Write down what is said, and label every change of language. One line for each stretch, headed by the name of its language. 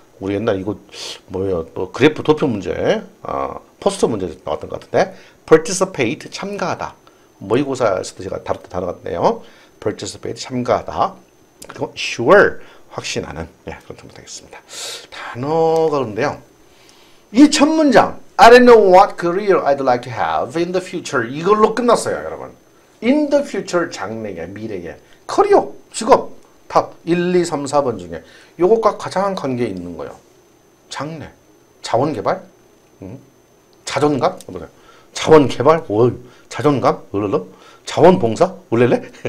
Korean: 우리 옛날 이거 뭐예요? 뭐 그래프 도표 문제, 포스터 문제 나왔던 것 같은데 participate, 참가하다. 모의고사에서도 제가 다뤘던 단어 같네요. participate, 참가하다. 그리고 sure, 확신하는. 예, 그런 정도 되겠습니다. 단어가 그런데요. 이 첫 문장.
English: I don't know what career I'd like to have in the future.
Korean: 이걸로 끝났어요, 여러분.
English: In the future,
Korean: 장래에, 미래에. 커리어, 직업, 답, 1, 2, 3, 4번 중에. 요것과 가장 관계에 있는 거예요. 장래, 자원개발, 자존감, 뭐냐. 자원개발, 오, 자존감, 으르르. 자원봉사, 울렐레.